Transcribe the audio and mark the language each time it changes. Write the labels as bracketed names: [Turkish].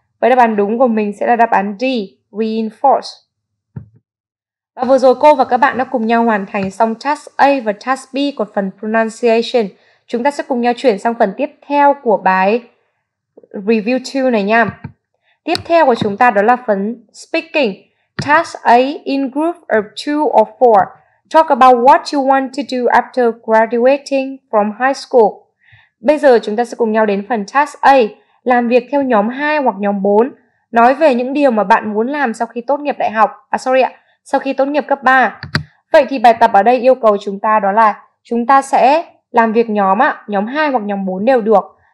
[Vietnamese] Với đáp án đúng của mình sẽ là đáp án D, reinforced. Và vừa rồi cô và các bạn đã cùng nhau hoàn thành xong task A và task B của phần pronunciation. Chúng ta sẽ cùng nhau chuyển sang phần tiếp theo của bài review 2 này nha. Tiếp theo của chúng ta đó là phần speaking. [English] Task A in group of 2 or 4. Talk about what you want to do after graduating from high school. [Vietnamese] Bây giờ chúng ta sẽ cùng nhau đến phần task A. Làm việc theo nhóm 2 hoặc nhóm 4. Nói về những điều mà bạn muốn làm sau khi tốt nghiệp đại học. Sau khi tốt nghiệp cấp 3. Vậy thì bài tập ở đây yêu cầu chúng ta đó là chúng ta sẽ làm việc nhóm ạ, nhóm 2 hoặc nhóm 4 đều được.